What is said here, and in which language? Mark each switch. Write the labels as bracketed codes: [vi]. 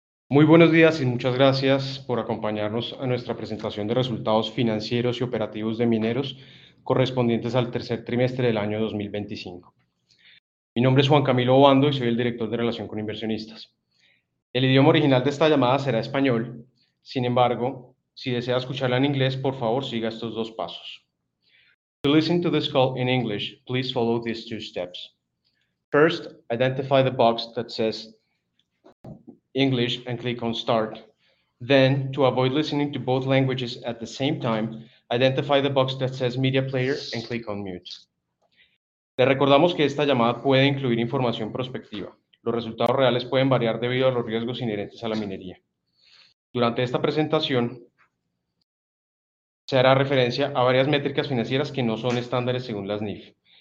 [es] Muy buenos días y muchas gracias por acompañarnos a nuestra presentación de resultados financieros y operativos de Mineros correspondientes al tercer trimestre del año 2025. Mi nombre es Juan Camilo Obando y soy el director de Relación con Inversionistas. El idioma original de esta llamada será español. Sin embargo, si desea escucharla en inglés, por favor, siga estos dos pasos. [en] To listen to this call in English, please follow these two steps. First, identify the box that says English and click on Start. Then, to avoid listening to both languages at the same time, identify the box that says Media Player and click on Mute. [es] Le recordamos que esta llamada puede incluir información prospectiva. Los resultados reales pueden variar debido a los riesgos inherentes a la minería. Durante esta presentación, se hará referencia a varias métricas financieras que no son estándares según las NIF.